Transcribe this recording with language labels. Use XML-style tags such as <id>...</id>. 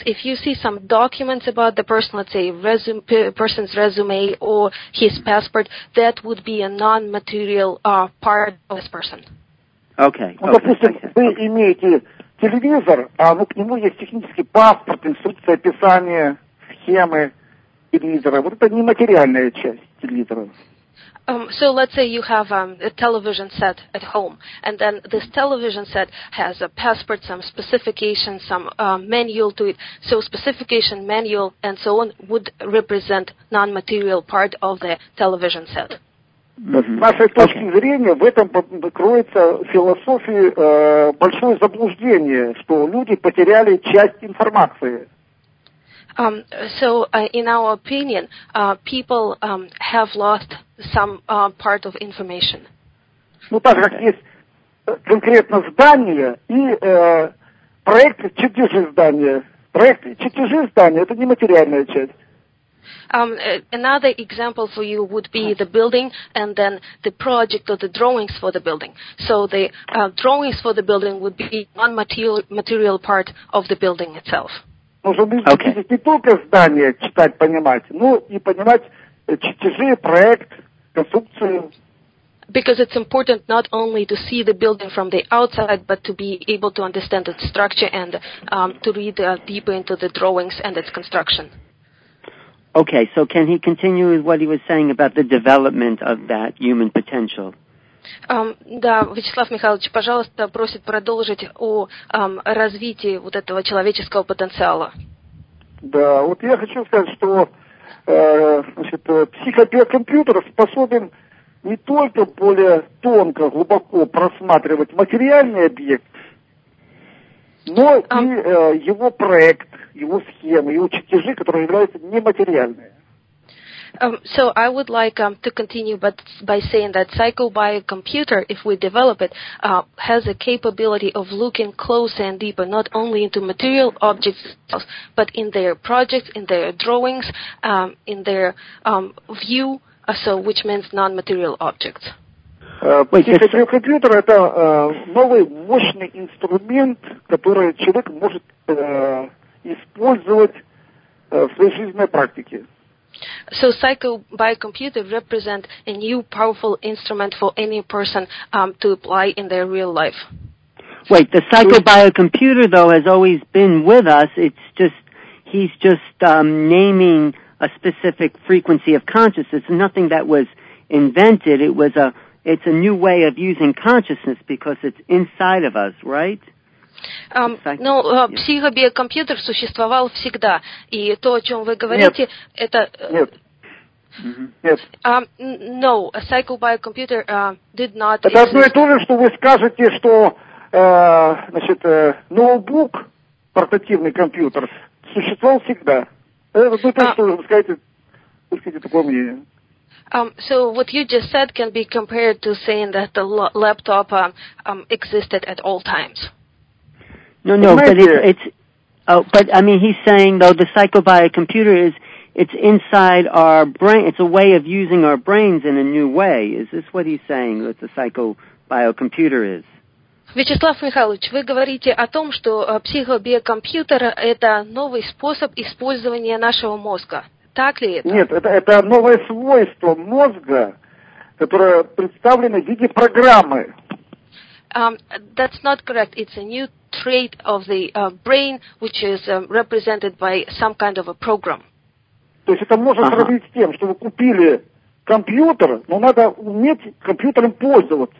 <en>If you see some documents about the person, let's say person's resume or his passport, that would be a non-material part of this person. Okay.</en> <ru>Ну, допустим, вы имеете телевизор, а ну, к нему есть технический паспорт, инструкция, описание, схемы телевизора. Вот это нематериальная часть телевизора.</ru> <en>So let's say you have a television set at home, and then this television set has a passport, some specifications, some manual to it. So specification, manual, and so on would represent non-material part of the television set. Mm-hmm.</en> <ru>С нашей точки зрения в этом кроется философия большое заблуждение, что люди потеряли часть информации.</ru> <en>In our opinion, people have lost some part of information.</en> <ru>Ну, так как есть конкретно здание и проекты-чертежи здания. Проекты-чертежи здания – это нематериальная часть.</ru> <en>Another example for you would be the building and then the project or the drawings for the building. So the drawings for the building would be non-material part of the building itself.</en> <ru>Нужно не только здание читать, понимать, но и понимать чертежи, проект, конструкцию.</ru> <en>Because it's important not only to see the building from the outside, but to be able to understand its structure and to read deeper into the drawings and its construction. Okay, so can he continue with what he was saying about the development of that human potential?</en> <ru>Да, Вячеслав Михайлович, пожалуйста, просит продолжить о развитии вот этого человеческого потенциала. Да, вот я хочу сказать, что значит, психобиокомпьютер способен не только более тонко, глубоко просматривать материальный объект, но и его проект, его схемы, его чертежи, которые являются нематериальными.</ru> <en>So I would like to continue by saying that psychobiocomputer, if we develop it, has a capability of looking closer and deeper, not only into material objects, but in their projects, in their drawings, in their view, so which means non-material objects.</en> <ru>Психобиокомпьютер – это новый мощный инструмент, который человек может использовать в своей жизненной практике.</ru> <en>So psychobiocomputer represent a new powerful instrument for any person to apply in their real life. Wait, the psychobiocomputer though has always been with us. It's just he's just naming a specific frequency of consciousness. It's nothing that was invented. It's a new way of using consciousness because it's inside of us, right?</en> <ru>Психобиокомпьютер существовал всегда, и то, о чем вы говорите, нет. Это... Нет.</ru> <en>No, a psychobiocomputer did not...</en> <ru>Это одно и то же, что вы скажете, что значит, ноутбук, портативный компьютер, существовал всегда. Это одно и то, что вы скажете, такое мнение.</ru> <en>So what you just said can be compared to saying that the laptop existed at all times. No, but it's Oh, but I mean, he's saying though the psychobiocomputer is, it's inside our brain. It's a way of using our brains in a new way. Is this what he's saying that the psychobiocomputer is?</en> <ru>Вячеслав Михайлович, вы говорите о том, что психобиокомпьютер – это новый способ использования нашего мозга. Так ли это? Нет, это новое свойство мозга, которое представлено в виде программы.</ru> <en>That's not correct. It's a new trait of the brain, which is represented by some kind of a program.</en> <ru>То есть это можно сравнить с тем, что вы купили компьютер, но надо уметь компьютером пользоваться.</ru>